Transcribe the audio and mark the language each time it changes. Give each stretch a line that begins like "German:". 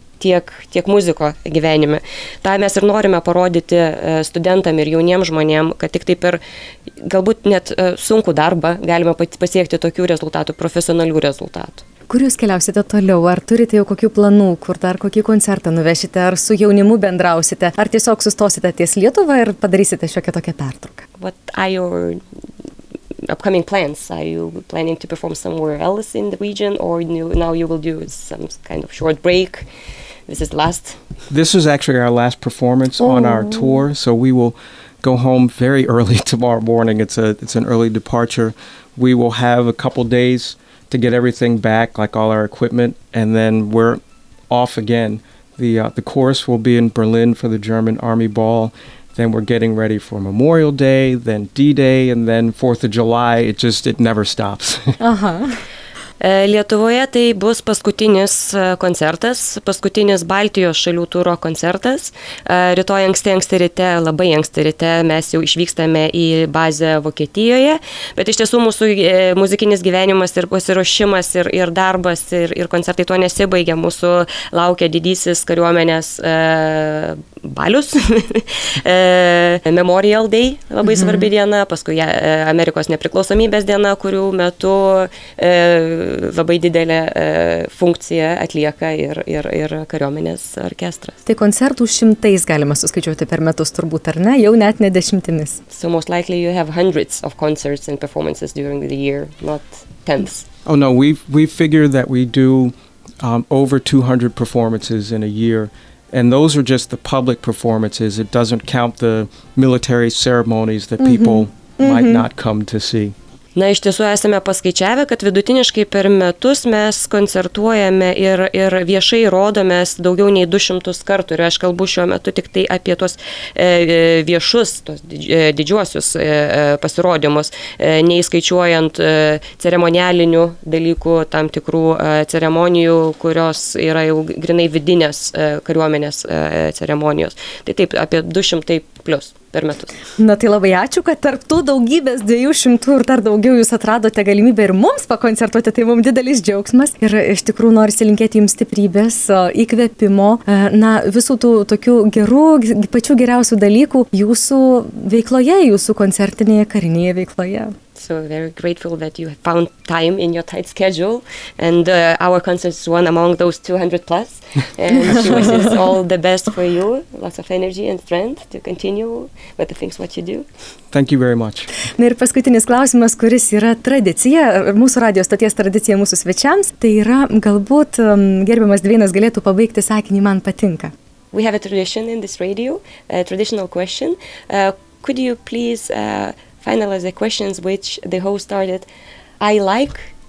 Lithuanian: tiek muziko gyvenime. Tą mes ir norime parodyti studentam ir jauniem žmonėm, kad tik taip ir galbūt net sunku darbą galime pasiekti tokių rezultatų, profesionalių rezultatų. Kur jūs keliausite toliau? Ar turite jau kokių planų, kur dar kokį koncertą nuvešite, ar su jaunimu bendrausite, ar tiesiog sustosite ties Lietuvą ir padarysite šiokią tokią pertrauką?
English: What are your upcoming plans? Are you planning to perform somewhere else in the region, or now you will do some kind of short break? This is the last? This is actually our last performance on our tour, so we will go home very early tomorrow morning. It's an early departure. We will have a couple days to get everything back, like all our equipment, and then we're off again. The chorus will be in Berlin for the German Army Ball, then we're getting ready for Memorial Day, then D-Day, and then 4th of July. It never stops.
Lithuanian: Lietuvoje tai bus paskutinis koncertas, paskutinis Baltijos šalių turo koncertas. Rytoj labai anksti ryte, mes jau išvykstame į bazę Vokietijoje, bet iš tiesų mūsų muzikinis gyvenimas ir pasiruošimas ir darbas ir koncertai tuo nesibaigia. Mūsų laukia didysis kariuomenės balius, Memorial Day, labai svarbi diena, paskui Amerikos nepriklausomybės diena, kurių metu labai didelė funkcija atlieka ir kariuomenės orkestras. Tai koncertų šimtais galima suskaičiuoti per metus turbūt, ar ne? Jau net ne dešimtimis.
English: So most likely you have hundreds of concerts and performances during the year, not tens. Oh no, we figure that we do over 200 performances in a year. And those are just the public performances. It doesn't count the military ceremonies that people might not come to see.
Lithuanian: Na, iš tiesų esame paskaičiavę, kad vidutiniškai per metus mes koncertuojame ir viešai rodomės daugiau nei 200 kartų. Ir aš kalbu šiuo metu tik tai apie tuos viešus, tuos didžiuosius pasirodymus, neįskaičiuojant ceremonialinių dalykų, tam tikrų ceremonijų, kurios yra jau grinai vidinės kariuomenės ceremonijos. Tai taip, apie 200 plius. Per metus. Na tai labai ačiū, kad tarp tų daugybės 200 ir dar daugiau jūs atradote galimybę ir mums pakoncertuoti, tai mums didelis džiaugsmas. Ir iš tikrųjų noriu linkėti jums stiprybės, įkvėpimo, na visų tų tokių gerų, pačių geriausių dalykų jūsų veikloje, jūsų koncertinėje karinėje veikloje.
English: So very grateful that you have found time in your tight schedule and our concert is one among those 200 plus. And she wishes all the best for you, lots of energy and strength to continue with the things what you do. Thank you very much.
Lithuanian: Na ir paskutinis klausimas, kuris yra tradicija, mūsų radio stoties tradicija mūsų svečiams, tai yra galbūt gerbiamas Dvėnas galėtų pabaigti sakinį man patinka.
English: We have a tradition in this radio, a traditional question. Could you please finalize the questions which the host started, I like?